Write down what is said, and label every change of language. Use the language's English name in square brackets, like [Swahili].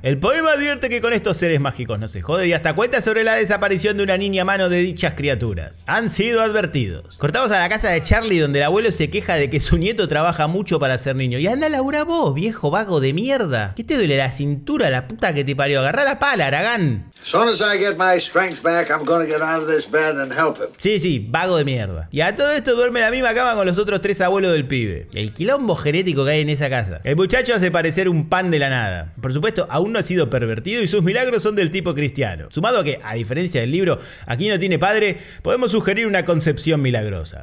[Spanish] El poema advierte que con estos seres mágicos no se jode y hasta cuenta sobre la desaparición de una niña a mano de dichas criaturas. Han sido advertidos. Cortamos a la casa de Charlie, donde el abuelo se queja de que su nieto trabaja mucho para ser niño. Y anda a laburar vos, viejo vago de mierda. ¿Qué te duele la cintura, la puta que te parió? Agarrá la pala, Aragán. [English] As soon as I get my strength back, I'm gonna get out of this bed and help him. [Spanish] Sí, vago de mierda. Y a todo esto duerme en la misma cama con los otros 3 abuelos del pibe. El quilombo genético que hay en esa casa. El muchacho hace parecer un pan de la nada. Por supuesto, aún no ha sido pervertido y sus milagros son del tipo cristiano. Sumado a que, a diferencia del libro, aquí no tiene padre, podemos sugerir una concepción milagrosa.